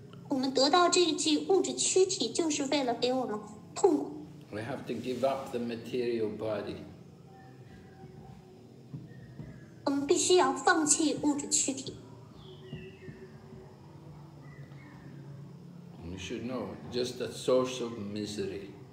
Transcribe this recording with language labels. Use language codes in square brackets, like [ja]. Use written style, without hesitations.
[zh] 我们得到这一具物质躯体，就是为了给我们痛苦。 [en] We have to give up the material body. [zh] 我们必须要放弃物质躯体。 [en] You should know, just a source of misery.